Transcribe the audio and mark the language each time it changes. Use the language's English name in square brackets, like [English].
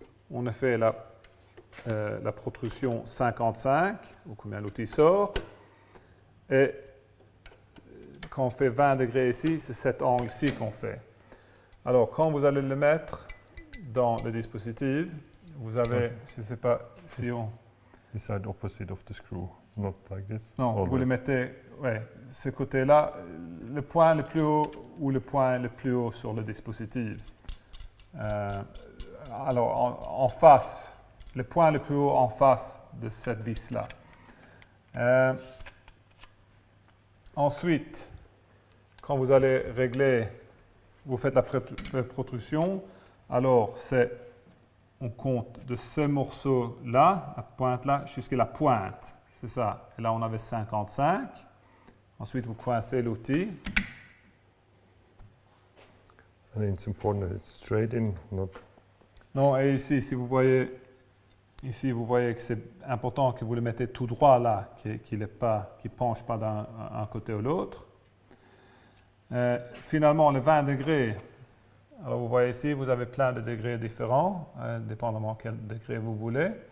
[French] On a fait la protrusion 55, ou combien l'outil sort. Et quand on fait 20 degrés ici, c'est cet angle-ci qu'on fait. Alors, quand vous allez le mettre dans le dispositif, vous avez, je ne sais pas si on... [English] The side opposite of the screw, not like this. [French] Non, [English] always. [French] Vous le mettez, ouais, ce côté-là, le point le plus haut ou le point le plus haut sur le dispositif. Alors, en face... Le point le plus haut en face de cette vis-là. Ensuite, quand vous allez régler, vous faites la protrusion, alors c'est, on compte de ce morceau-là, la pointe-là, jusqu'à la pointe. C'est ça. Et là, on avait 55. Ensuite, vous coincez l'outil. [English] And it's important that it's straight in, not... [French] Non, et ici, si vous voyez... Ici, vous voyez que c'est important que vous le mettez tout droit là, qu'il est pas, qu'il penche pas d'un un côté ou l'autre. Finalement, le 20 degrés, alors vous voyez ici, vous avez plein de degrés différents, dépendamment quel degré vous voulez.